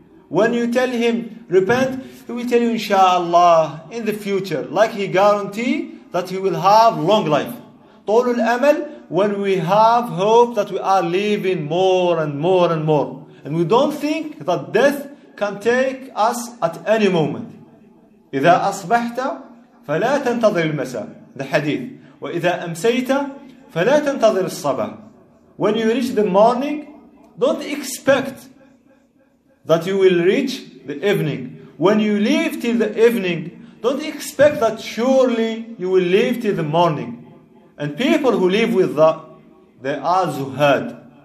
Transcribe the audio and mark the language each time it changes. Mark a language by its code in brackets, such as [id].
[en] When you tell him, repent, he will tell you inshallah, in the future, like he guarantee that he will have long life. Tolul amal, when we have hope that we are living more and more and more. And we don't think that death can take us at any moment. [ar] إذا أصبحت فلا تنتظر المساء. [en] The hadith. [ar] وإذا أمسيت فلا تنتظر الصباح. [en] When you reach the morning, don't expect that you will reach the evening. When you leave till the evening, don't expect that surely you will leave till the morning. And people who live with that, they are zuhad.